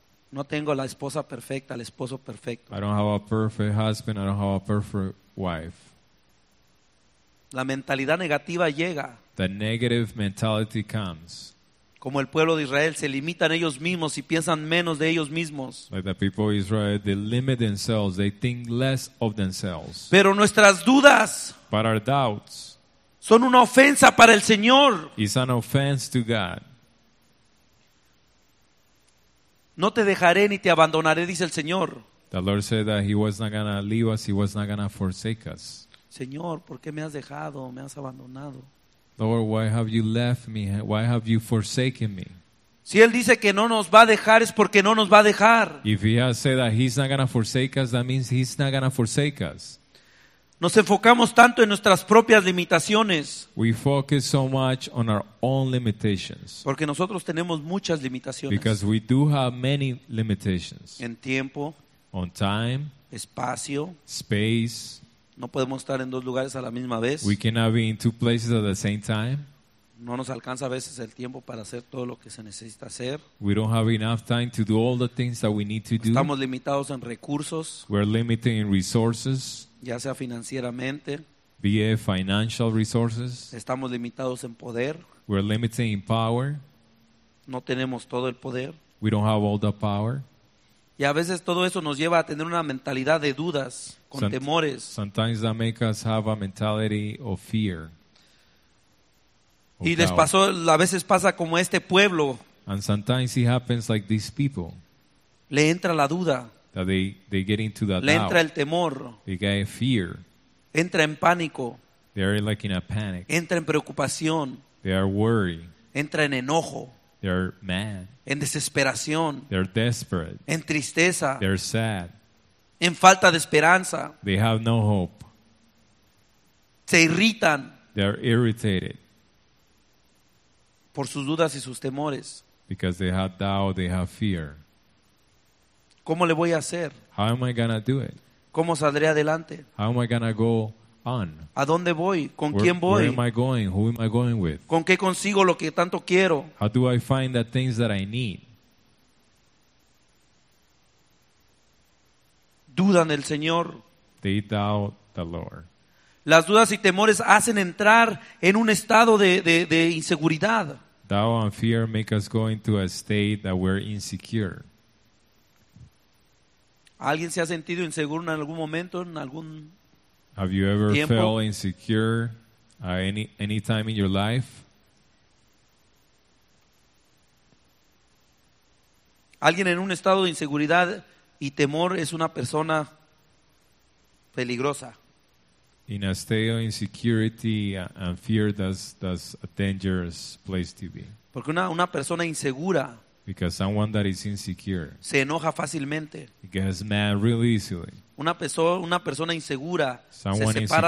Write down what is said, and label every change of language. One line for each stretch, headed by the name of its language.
Spanish: No tengo la esposa perfecta, el esposo perfecto.
English: I don't have a perfect husband, I don't have a perfect wife.
Spanish: La mentalidad negativa llega.
English: The negative mentality comes.
Spanish: Como el pueblo de Israel se limitan ellos mismos y piensan menos de ellos mismos.
English: Like the people of Israel, they limit themselves, they think less of themselves.
Spanish: Pero nuestras dudas.
English: But our doubts.
Spanish: Son una ofensa para el Señor.
English: It's an offense to God.
Spanish: No te dejaré ni te abandonaré, dice el Señor.
English: The Lord said that he was not going to leave us, he was not going to forsake us.
Spanish: Señor, ¿por qué me has dejado? ¿Me has abandonado?
English: Lord, why have you left me? Why have you forsaken me?
Spanish: Si él dice que no nos va a dejar, es porque no nos va a dejar.
English: If he has said that he's not going to forsake us, that means he's not going to forsake us.
Spanish: Nos enfocamos tanto en nuestras propias limitaciones.
English: We focus so much on our own limitations.
Spanish: Porque nosotros tenemos muchas limitaciones.
English: Because we do have many limitations.
Spanish: En tiempo.
English: On time.
Spanish: Espacio.
English: Space.
Spanish: No podemos estar en dos lugares a la misma vez.
English: We cannot be in two places at the same time.
Spanish: No nos alcanza a veces el tiempo para hacer todo lo que se necesita hacer.
English: We don't have enough time to do all the things that we need to do.
Spanish: Estamos limitados en recursos.
English: We're limited in resources.
Spanish: Ya sea financieramente.
English: Via financial resources.
Spanish: Estamos limitados en poder.
English: We're limited in power.
Spanish: No tenemos todo el poder.
English: We don't have all the power.
Spanish: Y a veces todo eso nos lleva a tener una mentalidad de dudas, con temores.
English: Sometimes that makes us have a mentality of fear.
Spanish: Y les pasó, a veces pasa como este pueblo.
English: And sometimes it happens like these people.
Spanish: Le entra la duda.
English: That they get into that
Spanish: le entra
English: doubt.
Spanish: El temor.
English: They get fear.
Spanish: Entra en pánico.
English: They are like in a panic.
Spanish: Entra en preocupación.
English: They are worried.
Spanish: Entra en enojo.
English: They are mad.
Spanish: En desesperación.
English: They are desperate.
Spanish: En tristeza.
English: They are sad.
Spanish: En falta de esperanza.
English: They have no hope.
Spanish: Se irritan.
English: They are irritated.
Spanish: Por sus dudas y sus temores.
English: Because they have doubt, they have fear.
Spanish: ¿Cómo le voy a hacer?
English: How am I gonna do it?
Spanish: ¿Cómo saldré adelante?
English: How am I gonna go on?
Spanish: ¿A dónde voy? ¿Con quién voy?
English: Where am I going? Who am I going with?
Spanish: ¿Con qué consigo lo que tanto quiero?
English: How do I find the things that I need?
Spanish: Dudan del Señor.
English: They doubt the Lord.
Spanish: Las dudas y temores hacen entrar en un estado de inseguridad.
English: Doubt and fear make us go into a state that we're insecure.
Spanish: ¿Alguien se ha sentido inseguro en algún momento, en algún tiempo?
English: Have you ever felt insecure at any time in your life?
Spanish: Alguien en un estado de inseguridad y temor es una persona peligrosa.
English: In a state of insecurity and fear, that's a dangerous place to be.
Spanish: Porque una persona insegura.
English: Because someone that is insecure.
Spanish: Se enoja fácilmente.
English: Gets mad real easily.
Spanish: Una persona insegura.
English: Someone
Spanish: se separa